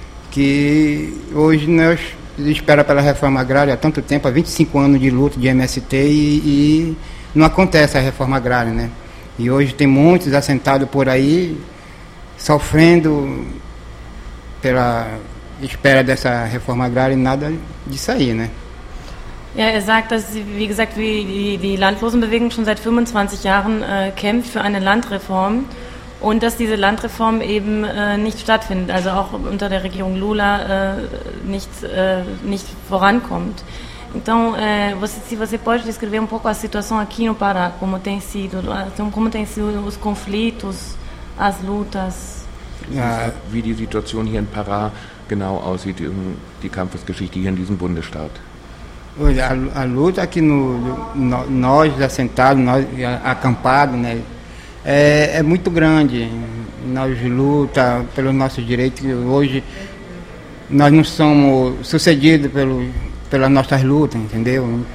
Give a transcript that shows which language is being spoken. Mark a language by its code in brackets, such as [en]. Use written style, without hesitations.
[pt] Que hoje nós esperamos pela reforma agrária há tanto tempo, há 25 anos de luta de MST e não acontece a reforma agrária, né? E hoje tem muitos assentados por aí sofrendo pela espera dessa reforma agrária e nada disso aí, né? [de] Ja, er sagt, dass sie, wie gesagt, wie die Landlosenbewegung schon seit 25 Jahren kämpft für eine Landreform und dass diese Landreform eben nicht stattfindet, also auch unter der Regierung Lula nicht vorankommt. [pt] Então, se você pode descrever pouco a situação aqui no Pará, como tem sido os conflitos, as lutas. [de] Ja, wie die Situation hier in Pará genau aussieht, die Kampfesgeschichte hier in diesem Bundesstaat. [pt] A luta aqui nós assentados, nós acampados, né, é muito grande. Nós luta pelo nosso direito. Hoje nós não somos sucedidos pelas nossas lutas, entendeu?